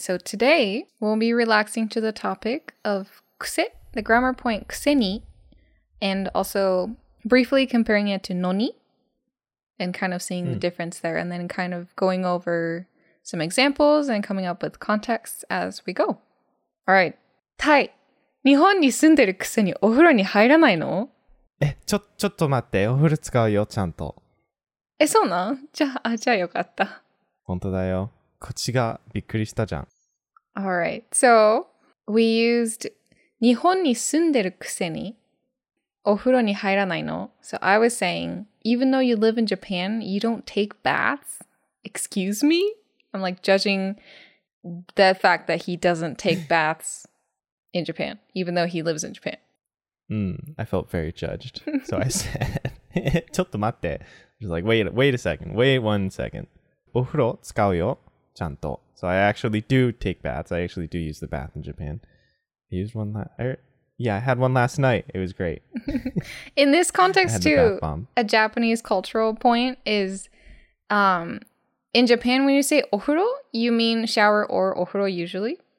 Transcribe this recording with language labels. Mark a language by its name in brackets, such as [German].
[English] So today, we'll be relaxing to the topic of kuse, the grammar point kuse ni, and also briefly comparing it to noni, and kind of seeing the difference there, and then kind of going over some examples and coming up with context as we go. All right. [Japanese] Tai, 日本に住んでるくせにお風呂に入らないの? え、ちょっと待って、お風呂使うよ、ちゃんと。え、そうなん?じゃあよかった。本当だよ。こっちがびっくりしたじゃん。 [English] Alright, so we used [Japanese] 日本に住んでるくせにお風呂に入らないの? [English] So I was saying, even though you live in Japan, you don't take baths? Excuse me? I'm like judging the fact that he doesn't take baths. In Japan, even though he lives in Japan. I felt very judged. So I said, [Japanese] ちょっと待って. [English] She's like, wait one second. [Japanese] お風呂使うよ、ちゃんと. [English] So I actually do take baths. I actually do use the bath in Japan. I used one last... I had one last night. It was great. In this context too, a Japanese cultural point is... in Japan, when you say お風呂, you mean shower or お風呂 usually.